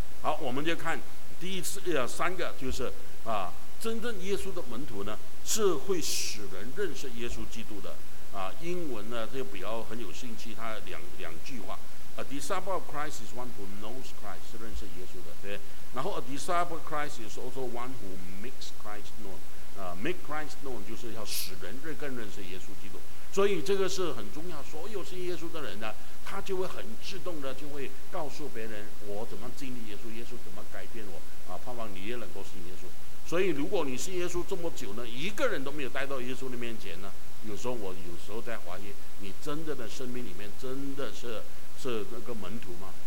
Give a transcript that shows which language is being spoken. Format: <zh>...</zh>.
<zh>好，我们就看第一次三个，就是啊，真正耶稣的门徒呢，是会使人认识耶稣基督的啊。英文呢，就比较很有兴趣，他两句话 ：</zh> <en>A disciple of Christ is one who knows Christ，</en> <zh>是认识耶稣的，对。</zh> <en>然后 a disciple of Christ is also one who makes Christ known。 make Christ known</en> <zh>就是要使人更认识耶稣基督。所以这个是很重要。所有信耶稣的人呢，他就会很自动的就会告诉别人我怎么经历耶稣，耶稣怎么改变我啊。盼望你也能够信耶稣。所以如果你信耶稣这么久呢，一个人都没有带到耶稣的面前呢，有时候我有时候在怀疑，你真的的生命里面真的是那个门徒吗？</zh>